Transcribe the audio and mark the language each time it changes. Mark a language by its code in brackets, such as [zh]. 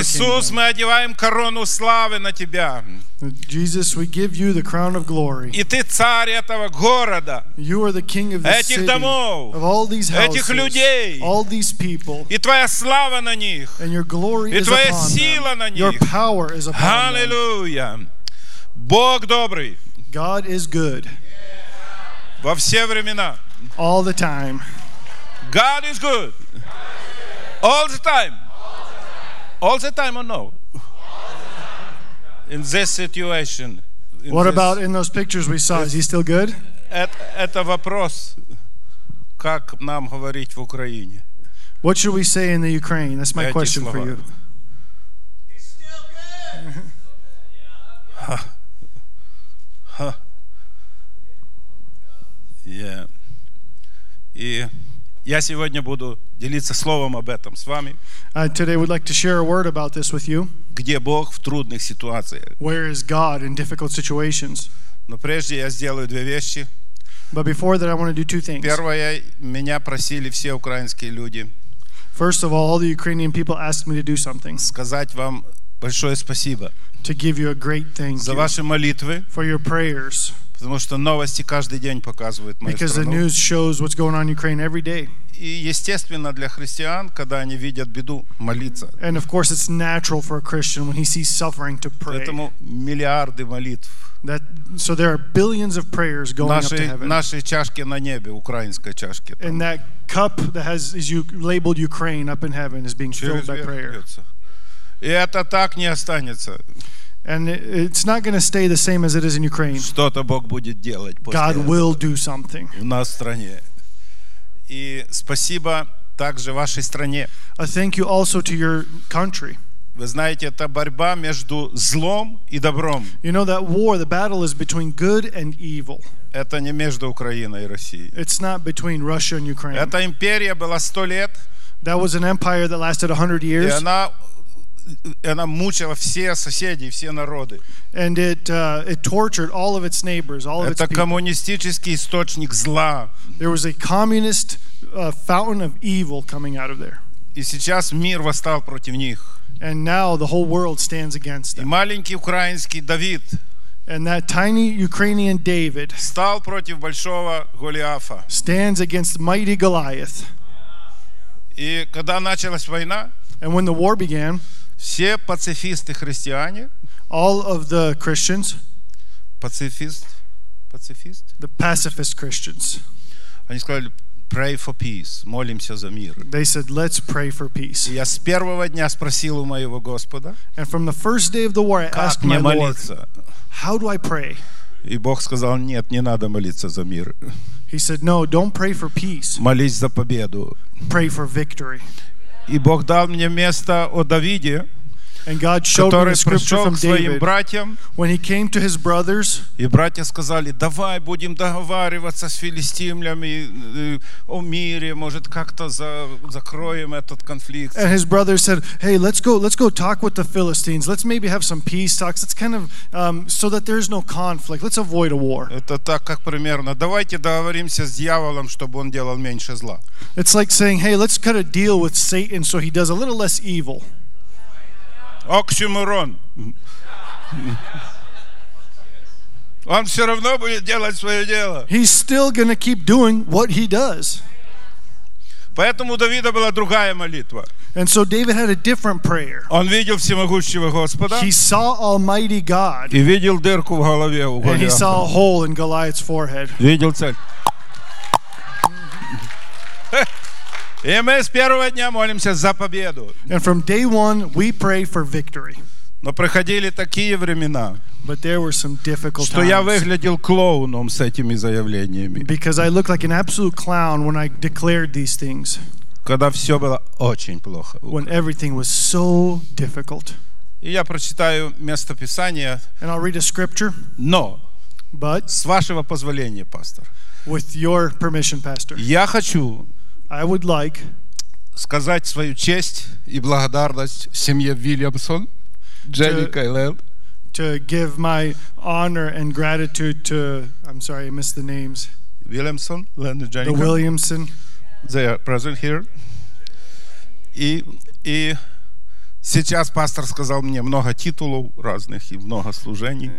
[uk] Ісус, ми одіваємо корону слави на тебе. [en] Jesus, we give you the crown of glory. [uk] І ти цар цього города. [en] You are the king of this city. [ru] Домов, [en] of all these houses. [uk] Цих людей. [en] All these people. [uk] І твоя слава на них. [en] And your glory is upon them. [uk] І твоя сила на них. [en] Your power is upon Hallelujah. Them. [uk] Бог добрий. [en] God is good. [uk] Во всі времена. [en] All the time. God is good. All the time. All the time or no? In this situation. What about in those pictures we saw? Is he still good? [ru] Это вопрос, как нам говорить в Україні. [en] What should we say in the Ukraine? That's my question for you. He's still good. [uk] І я сьогодні буду ділитися словом [ru] об этом [uk] з вами. [en] Today would like to share a word about this with you. [uk] Де Бог в трудних ситуаціях? [en] Where is God in difficult situations? [uk] Ну, прежде я зроблю дві речі. [en] But before that, I want to do two things. [ru] Первое, меня просили все украинские люди. First of all the Ukrainian people asked me to do something. Сказать вам большое спасибо. To give you a great thank you. За ваши молитвы. For your prayers. Потому что новости каждый день показывают мою страну. [en] Because the news shows what's going on in Ukraine every day. [ru] И естественно для христиан, когда они видят беду, молиться. [en] And of course it's natural for a Christian when he sees suffering to pray. [ru] Поэтому миллиарды молитв. [en] That, so there are billions of prayers going [ru] нашей, [en] up to heaven. [ru] Нашей чашки на небе, украинской чашки. Там. [en] And that cup that has is labeled Ukraine up in heaven is being [ru] через [en] filled by prayer. [ru] Бьется. И это так не останется. [en] And it's not going to stay the same as it is in Ukraine. [ru] Что-то Бог будет делать после [en] God [ru] этого. [en] Will do something. [ru] В нашей стране. И спасибо также вашей стране. [en] A thank you also to your country. [ru] Вы знаете, это борьба между злом и добром. [en] You know that war, the battle is between good and evil. [ru] Это не между Украиной и Россией. [en] It's not between Russia and Ukraine. [ru] Эта империя была 100 лет. [en] That was an empire that lasted 100 years. [ru] И она мучила все соседи, все народы. [en] And it tortured all of its neighbors, all of its people. [ru] Это коммунистический источник зла. [en] There was a communist fountain of evil coming out of there. [ru] И сейчас мир восстал против них. [en] And now the whole world stands against them. [ru] И маленький украинский Давид. [en] And that tiny Ukrainian David. [ru] Стал против большого Голиафа. [en] Stands against mighty Goliath. [ru] И когда началась война. [en] And when the war began. [ru] Все пацифисты христиане. [en] All of the Christians. [ru] Пацифист. [en] The pacifist Christians. [ru] Они сказали. [en] Pray for peace. [ru] Молимся за мир. [en] They said, let's pray for peace. [ru] Я с первого дня спросил у моего Господа. [en] And from the first day of the war, I asked my [ru] молиться? [en] Lord, how do I pray? [ru] И Бог сказал, нет, не надо молиться за мир. [en] He said, no, don't pray for peace. [ru] Молись за победу. [en] Pray for victory. [ru] И Бог дал мне место о Давиде, [en] And God showed [ru] который [en] me the scripture from David, [ru] к своим братьям. [en] When he came to his brothers, [ru] и братья сказали, давай будем договариваться с филистимлями о мире, может как-то закроем этот конфликт. [en] And his brothers said, hey, let's go talk with the Philistines. Let's maybe have some peace talks. It's kind of so that there's no conflict. Let's avoid a war. [ru] Это так, как примерно. Давайте договоримся с дьяволом, чтобы он делал меньше зла. [en] It's like saying, hey, let's cut a deal with Satan so he does a little less evil. [ru] Оксюморон. Он все равно будет делать свое дело. [en] He's still gonna keep doing what he does. [ru] Поэтому у Давида была другая молитва. [en] And so David had a different prayer. [ru] Он видел всемогущего Господа. [en] He saw Almighty God. [ru] И видел дырку в голове у Голиафа. [en] And he saw a hole in Goliath's forehead. [ru] Видел цель. И мы с первого дня молимся за победу. [en] And from day one, we pray for victory. [ru] Но приходили такие времена, [en] But there were some difficult [ru] что [en] times. [ru] Я выглядел клоуном с этими заявлениями. [en] Because I looked like an absolute clown when I declared these things. [ru] Когда все было очень плохо. [en] When everything was so difficult. [ru] И я прочитаю место Писания. [en] And I'll read a scripture. [ru] Но, [en] But, [ru] с вашего позволения, пастор. [en] With your permission, pastor. [ru] Я хочу... [en] I would like [ru] сказать свою честь и благодарность семье Вильямсон, Дженни Кайлел. [en] To give my honor and gratitude to, I'm sorry, I missed the names. [ru] Вильямсон, Лен и Дженни. [en] The Williamson. They are present here. [ru] И сейчас пастор сказал мне много титулов разных и много служений.